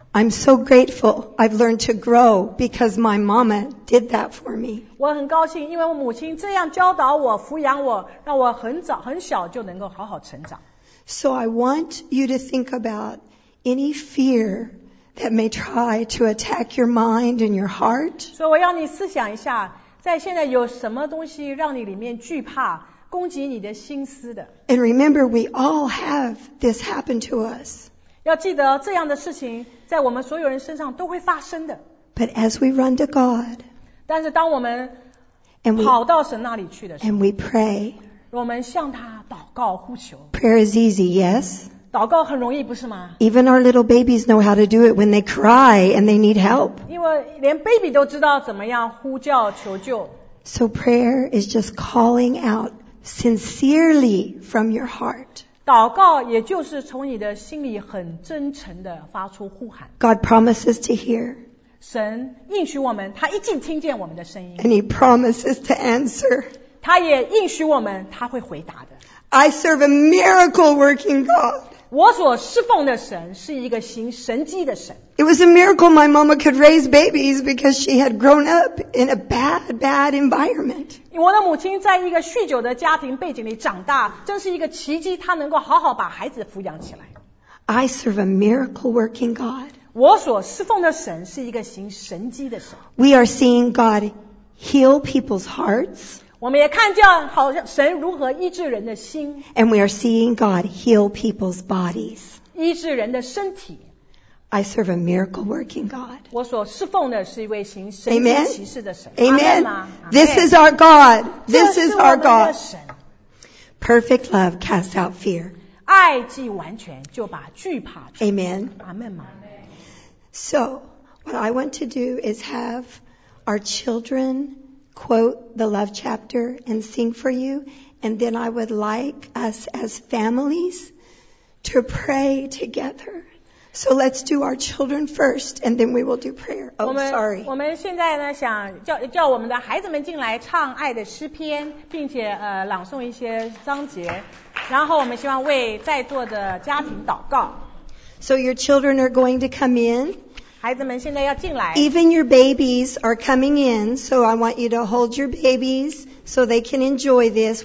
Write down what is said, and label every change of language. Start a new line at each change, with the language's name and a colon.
English: I'm so grateful I've learned to grow because my mama did that for me.
Chinese: 我很高兴因为我母亲这样教导我抚养我让我很小就能够好好成长。
English: So I want you to think about any fear that may try to attack your mind and your heart.
Chinese: 所以我要你思想一下在现在有什么东西让你里面惧怕攻击你的心思的。
English: And remember, we all have this happen to us.
Chinese: 要记得这样的事情在我们所有人身上都会发生的。
English: But as we run to God,
Chinese: 但是当我们跑到神那里去的时候
English: and we pray,
Chinese: 我们向他祷告呼求
English: Prayer is easy, yes.
Chinese: 祷告很容易不是吗
English: Even our little babies know how to do it when they cry and they need help.
Chinese: 因为连 baby 都知道怎么样呼叫求救
English: So prayer is just calling out sincerely from your heart.
Chinese: 祷告也就是从你的心里很真诚地发出呼喊。
English: God promises to hear.
Chinese: 神应许我们，他一定听见我们的声音。
English: And he promises to answer.
Chinese: 他也应许我们，他会回答的。
English: I serve a miracle working God.
Chinese: 我所侍奉的神是一个行神迹的神。
English: It was a miracle my mama could raise babies because she had grown up in a bad, bad environment.
Chinese: 我的母亲在一个酗酒的家庭背景里长大，真是一个奇迹，她能够好好把孩子抚养起来。
English: I serve a miracle-working God.
Chinese: 我所侍奉的神是一个行神迹的神。
English: We are seeing God heal people's hearts.
Chinese: 我们也看见好像神如何医治人的心。
English: And we are seeing God heal people's bodies.
Chinese: 医治人的身体。
English: I serve a miracle-working God.
Chinese: 我所侍奉的是一位行神迹奇事的神。
English: Amen. This is our God. This is our God. Perfect love casts out fear.
Chinese: 爱既完全，就把惧怕除去。
English: Amen. Amen. So, what I want to do is have our children quote the love chapter and sing for you, and then I would like us as families to pray together. So let's do our children first, and then we will do prayer. Oh,
Chinese: 我们现在呢想叫我们的孩子们进来唱爱的诗篇，并且朗诵一些章节，然后我们希望为在座的家庭祷告。
English: So your children are going to come in.
Chinese: 孩子们现在要进来。
English: Even your babies are coming in, so I want you to hold your babies so they can enjoy this.